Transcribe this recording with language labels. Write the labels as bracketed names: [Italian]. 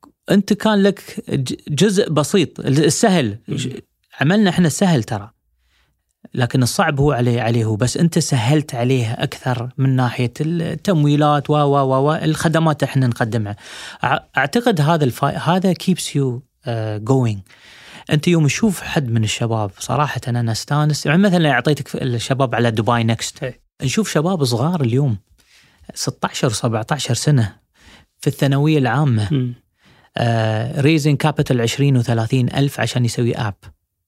[Arabic] أنت كان لك جزء بسيط، السهل عملنا إحنا سهل ترى، لكن الصعب هو عليه، بس أنت سهلت عليها أكثر من ناحية التمويلات و الخدمات إحنا نقدمها. أعتقد هذا [English] keeps you going. [Arabic] أنت يوم تشوف حد من الشباب، صراحة أنا استانس، يعني مثلا أعطيتك الشباب على دبي نكست، نشوف شباب صغار اليوم 16 و17 سنة في الثانوية العامة [English] raising capital 20,000 [Arabic] و30,000 عشان يسوي app.